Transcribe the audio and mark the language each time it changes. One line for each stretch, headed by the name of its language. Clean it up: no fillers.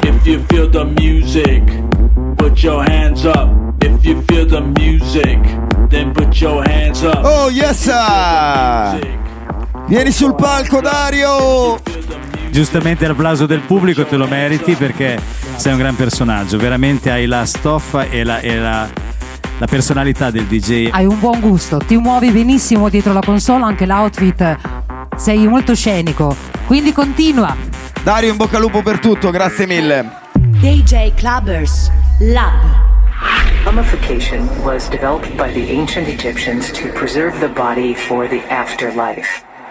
English: If you feel the music, put your hands up. If you feel the music, then put your hands up. Oh yes sir!
Italian: Vieni sul palco Dario! Giustamente l'applauso del pubblico te lo meriti perché sei un gran personaggio. Veramente hai la stoffa e la personalità del DJ. Hai un buon gusto, ti muovi benissimo dietro la console, anche l'outfit. Sei molto scenico, quindi continua. Dario, in bocca al lupo per tutto, grazie mille.
English: DJ Clubbers Lab. Mummification was developed by the ancient Egyptians to preserve the body for the afterlife.